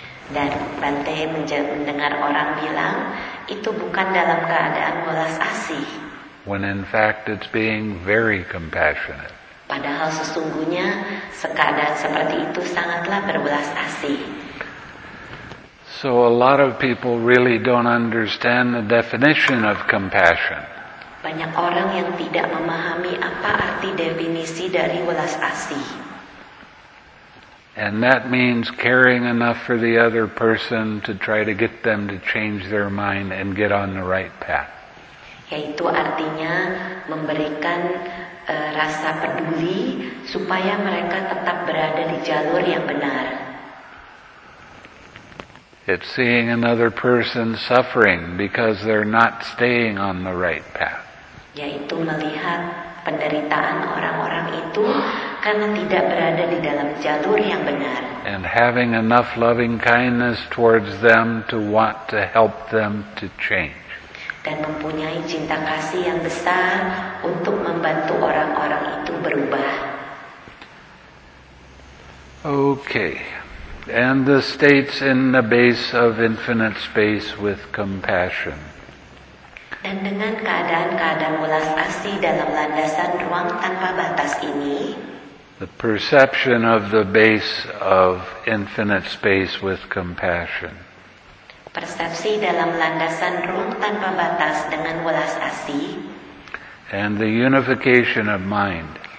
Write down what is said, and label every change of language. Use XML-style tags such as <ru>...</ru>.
<id>Dan Bante mendengar orang bilang itu bukan dalam keadaan welas asih.</id> <en>When in fact it's being very compassionate.</en> <id>Padahal sesungguhnya keadaan seperti itu sangatlah berwelas asih.</id> <en>So a lot of people really don't understand the definition of compassion.</en> <id>Banyak orang yang tidak memahami apa arti definisi dari welas asih.</id> <en>And that means caring enough for the other person to try to get them to change their mind and get on the right path.</en> <id>Yaitu artinya memberikan rasa peduli supaya mereka tetap berada di jalur yang benar.</id> <en>It's seeing another person suffering because they're not staying on the right path.</en> <id>Yaitu melihat penderitaan orang-orang itu karena tidak berada di dalam jalur yang benar.</id> <en>And having enough loving kindness towards them to want to help them to change.</en> <id>Dan mempunyai cinta kasih yang besar untuk membantu orang-orang itu berubah.</id> <en>Okay. And the states in the base of infinite space with compassion.</en> <id>Dan dengan keadaan-keadaan welas asih dalam landasan ruang tanpa batas ini,</id> <en>the perception of the base of infinite space with compassion.</en> <id>Persepsi dalam landasan ruang tanpa batas dengan welas asih.</id> <en>And the unification of mind.</en>